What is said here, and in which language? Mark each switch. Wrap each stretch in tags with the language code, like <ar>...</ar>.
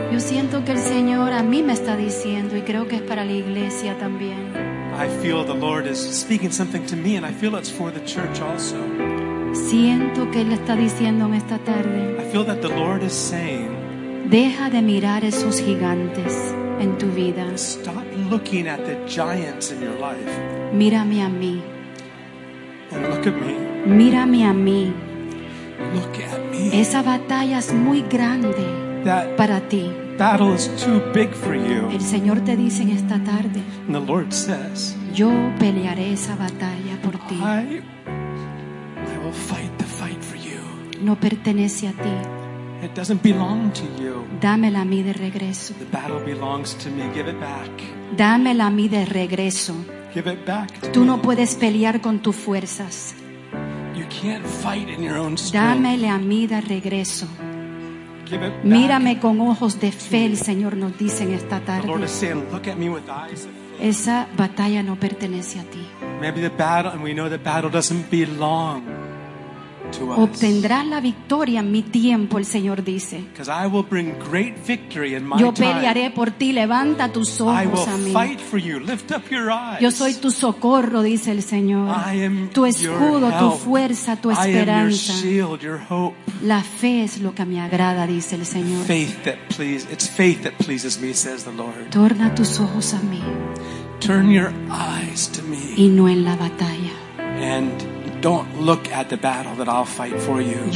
<es>Yo siento que el Señor a mí me está diciendo y creo que es para la iglesia también.</es> <en>I feel the Lord is speaking something to me and I feel it's for the church also.</en> <es>Siento que él está diciendo en esta tarde.</es> <en>I feel that the Lord is saying.</en> <es>Deja de mirar esos gigantes en tu vida.</es> <en>Stop looking at the giants in your life.</en> <es>Mírame a mí.</es> <en>And look at me.</en> <es>Mírame a mí.</es> <en>Look at me.</en> <es>Esa batalla es muy grande</es> <en>that</en> <es>para ti.</es> <en>Battle is too big for you.</en> <es>El Señor te dice en esta tarde.</es> <en>And the Lord says,</en> <es>yo pelearé esa batalla por ti.</es> <en>I will fight the fight for you.</en> <es>No pertenece a ti.</es> <en>It doesn't belong to you.</en> <es>Dámela a mí de regreso.</es> <en>The battle belongs to me. Give it back.</en> <es>Dámela a mí de regreso.</es> <en>Give it back to</en> <es>tú</es> <en>me.</en> <es>No puedes pelear con tus fuerzas.</es> <en>You can't fight in your own strength.</en> <es>Dámele a mí de regreso.</es> <en>Give it back.</en> <es>Mírame con ojos de fe, el Señor nos dice en esta tarde.</es> <en>The Lord is saying, look at me with eyes of faith.</en> <es>Esa batalla no pertenece a ti.</es> <en>Maybe the battle, and we know the battle doesn't belong to us.</en> <es>Obtendrás la victoria en mi tiempo, el Señor dice.</es> <en>Because I will bring great victory in my</en> <es>yo pelearé por ti, levanta tus ojos</es> <en>I will</en> <es>a mí.</es> <en>Fight for you. Lift up your eyes.</en> <es>Yo soy tu socorro, dice el Señor.</es> <en>I am</en> <es>tu escudo, tu fuerza, tu esperanza.</es> <en>I am your shield, your hope.</en> <es>La fe es lo que me agrada, dice el Señor.</es> <en>Faith that please, it's faith that pleases me, says the Lord.</en> <es>Torna tus ojos a mí.</es> <en>Turn your eyes to me.</en> <es>Y no en la batalla.</es> <en>And don't look at the battle that I'll fight for you.</en>